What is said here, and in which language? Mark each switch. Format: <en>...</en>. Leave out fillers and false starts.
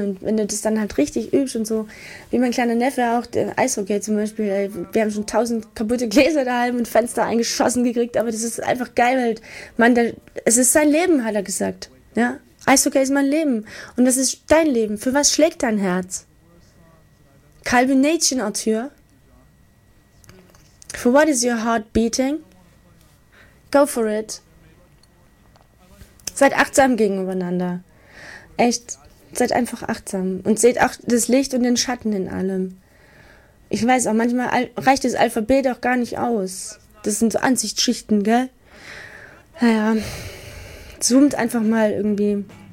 <de>Und wenn du das dann halt richtig übst und so, wie mein kleiner Neffe auch, der Eishockey zum Beispiel, ey, wir haben schon 1000 kaputte Gläser daheim und Fenster eingeschossen gekriegt, aber das ist einfach geil, weil man, es ist sein Leben, hat er gesagt, ja. Eishockey ist mein Leben. Und das ist dein Leben. Für was schlägt dein Herz? Calvin Nation, Arthur.</de> <en>For what is your heart beating? Go for it.</en> <de>Seid achtsam gegeneinander. Echt, seid einfach achtsam. Und seht auch das Licht und den Schatten in allem. Ich weiß auch, manchmal reicht das Alphabet auch gar nicht aus. Das sind so Ansichtsschichten, gell? Naja, zoomt einfach mal irgendwie.</de>